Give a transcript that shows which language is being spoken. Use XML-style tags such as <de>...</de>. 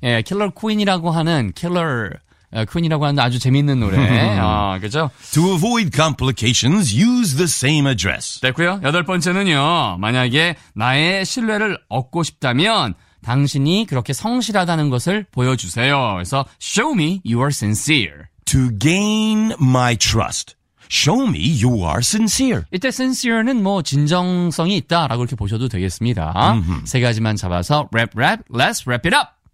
<ko>예, Killer Queen이라고 하는 Killer Queen이라고 하는 아주 재밌는 노래. 그렇죠?</ko> <en>To avoid complications, use the same address.</en> <ko>됐고요. 여덟 번째는요. 만약에 나의 신뢰를 얻고 싶다면 당신이 그렇게 성실하다는 것을 보여주세요.</ko> <en>그래서 show me you are sincere. To gain my trust. Show me you are sincere.</en> <ko>이때 sincere는 뭐 진정성이 있다라고 이렇게 보셔도 되겠습니다. Mm-hmm. 세 가지만 잡아서 랩,</ko> <en>let's wrap it up.</en>